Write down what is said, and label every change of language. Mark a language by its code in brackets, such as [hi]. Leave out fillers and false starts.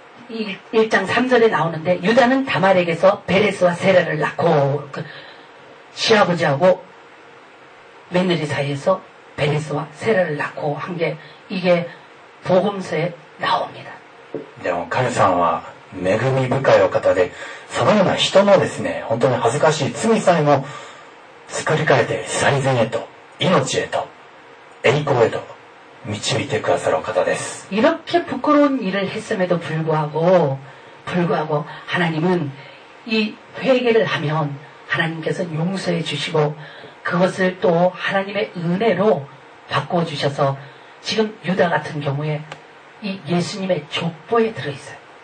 [ko] 1장 3절에 나오는데 유다는 다말에게서 베레스와 세라를 낳고 그 시아버지하고 며느리 사이에서 베레스와 세라를 낳고 한 게 이게 복음서에 나옵니다. [ja] でも神様は恵み深いお方で、そのような人のですね、本当に恥ずかしい罪さえも作り変えて、最善へと、命へと、栄光へと 導いてくださる方です. [ko] 이렇게 부끄러운 일을 했음에도 불구하고 하나님은 이 회개를 하면 하나님께서 용서해 주시고 그것을 또 하나님의 은혜로 바꿔 주셔서 지금 유다 같은 경우에 이 예수님의 족보에 들어 있어요.